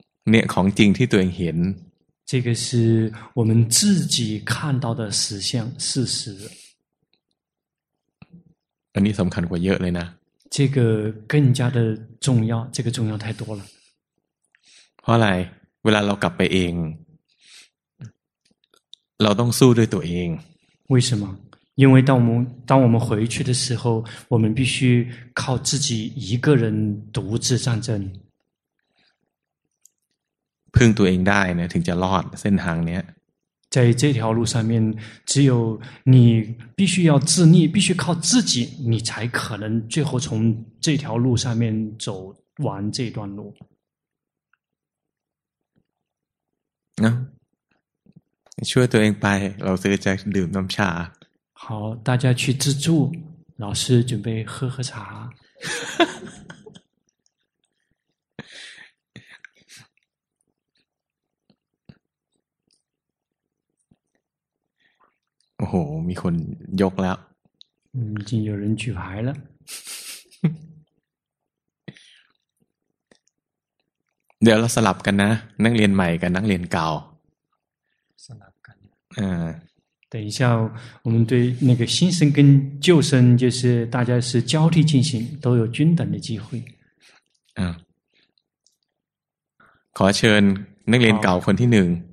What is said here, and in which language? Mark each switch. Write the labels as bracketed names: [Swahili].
[Thai] เนี่ยของจริงที่ตัวเองเห็น [Chinese] 这个是我们自己看到的实相事实 [Thai] อันนี้สำคัญกว่าเยอะเลยนะ [Chinese] 这个更加的重要这个重要太多了 [Thai] เพราะอะไรเวลาเรากลับไปเองเราต้องสู้ด้วยตัวเอง [Chinese] 为什么因为当我们回去的时候我们必须靠自己一个人独自战争 [Thai] พึ่งตัวเองได้นะถึงจะรอดเส้นทางเนี้ย [Chinese] 在这条路上面只有你必须要自立必须靠自己你才可能最后从这条路上面走完这段路 [Thai] นะช่วยตัวเองไปเราจะดื่มน้ำชา [Chinese] 好大家去自助老师准备喝喝茶 [Thai] โอ้โหมีคนยกแล้ว [Chinese] 已经有人举牌了 [Thai] เดี๋ยวเราสลับกันนะนักเรียนใหม่กับนักเรียนเก่า สลับ [Chinese] 等一下我们对那个新生跟旧生就是大家是交替进行都有均等的机会 [Thai] ขอเชิญนักเรียนเก่าคนที่หนึ่ง